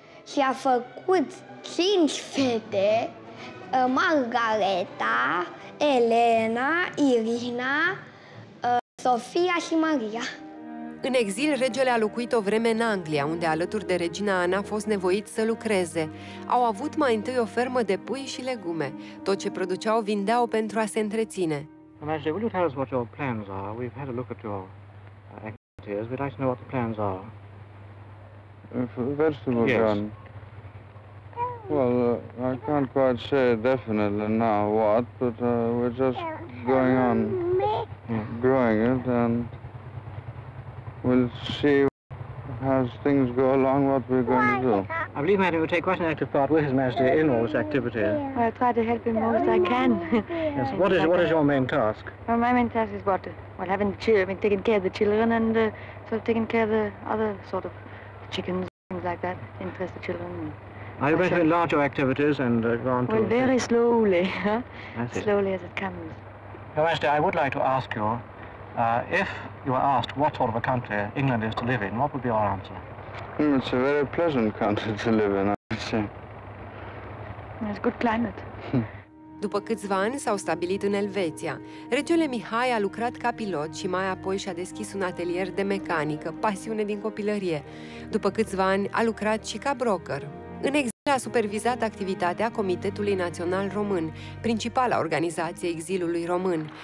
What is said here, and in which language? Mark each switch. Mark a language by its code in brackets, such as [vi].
[ro] și a făcut 5 fete, Margareta, Elena, Irina, Sofia și Maria. În exil, regele a locuit o vreme în Anglia, unde alături de regina Ana a fost nevoit să lucreze. Au avut mai întâi o fermă de pui și legume. Tot ce produceau, vindeau pentru a se întreține. [en] Majesty, will you tell us what your plans are? We've had a look at your activities. We'd like to know what the plans are. First of all, well, I can't quite say definitely now what, but we're just going on growing it, and we'll see as things go along what we're going to do. I believe, madam, you take quite an active part with His Majesty in all this activity. Well, I try to help him most I can. Yes, what is your main task? Well, my main task is having children, I mean, taking care of the children and sort of taking care of the other sort of chickens, things like that, interest the children. Are you going to enlarge your activities and go on to... Well, very slowly, slowly as it comes. Your Majesty, I would like to ask you, if you were asked what sort of a country England is to live in, what would be your answer? It's a very pleasant country to live in, I would say. It's good climate. [ro] După câțiva ani, s-au stabilit în Elveția. Regele Mihai a lucrat ca pilot și mai apoi și-a deschis un atelier de mecanică, pasiune din copilărie. După câțiva ani, a lucrat și ca broker. În exil, a supervizat activitatea Comitetului Național Român, principala organizație exilului român.